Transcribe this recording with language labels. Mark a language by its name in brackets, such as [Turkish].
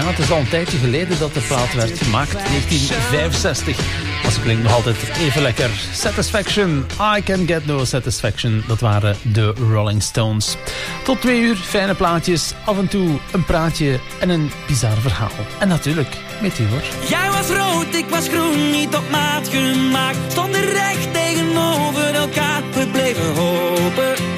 [Dutch] al een tijdje geleden dat de plaat werd gemaakt, 1965. Dat klinkt nog altijd even lekker. [English] Satisfaction, I can get no satisfaction. [Dutch] Dat waren de Rolling Stones. Tot 2 uur, fijne plaatjes, af en toe een praatje en een bizar verhaal. En natuurlijk, met u hoor. Jij was rood, ik was groen, niet op maat gemaakt. Stonden recht tegenover elkaar, we bleven hopen.